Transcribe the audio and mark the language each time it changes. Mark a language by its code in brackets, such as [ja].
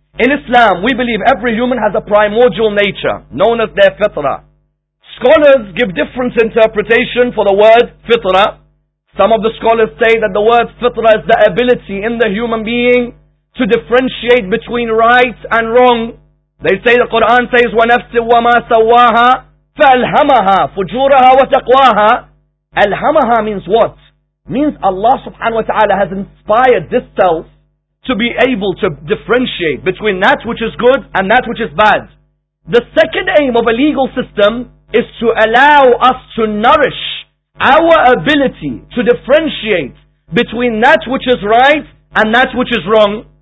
[en] In Islam, we believe every human has a primordial nature, known as their fitrah. Scholars give different interpretation for the word fitrah. Some of the scholars say that the word fitrah is the ability in the human being to differentiate between right and wrong. They say the Quran says, [ar] وَنَفْسِ وَمَا سَوَّاهَا فَأَلْهَمَهَا فُجُورَهَا وَتَقْوَاهَا. [en] Alhamaha means what? Means Allah subhanahu wa ta'ala has inspired this self to be able to differentiate between that which is good and that which is bad. The second aim of a legal system is to allow us to nourish our ability to differentiate between that which is right and that which is wrong.